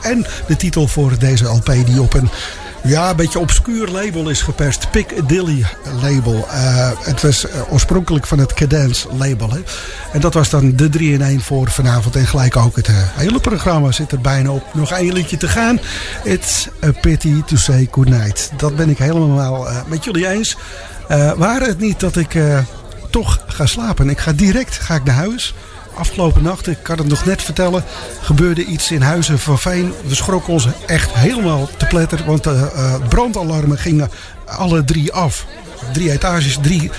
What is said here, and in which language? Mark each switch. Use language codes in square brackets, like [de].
[nl] En de titel voor deze LP die op een... ja, een beetje obscuur label is geperst. Piccadilly label. Het was oorspronkelijk van het Cadence label. Hè? En dat was dan de 3-in-1 voor vanavond. En gelijk ook het hele programma zit er bijna op. Nog één liedje te gaan. [en] It's a pity to say goodnight. [nl] Dat ben ik helemaal met jullie eens. Waar het niet dat ik toch ga slapen. Ik ga direct naar huis. Afgelopen nacht, ik kan het nog net vertellen, gebeurde iets in Huizen van Veen. We schrokken ons echt helemaal te pletter, want de brandalarmen gingen alle drie af. Drie etages, drie.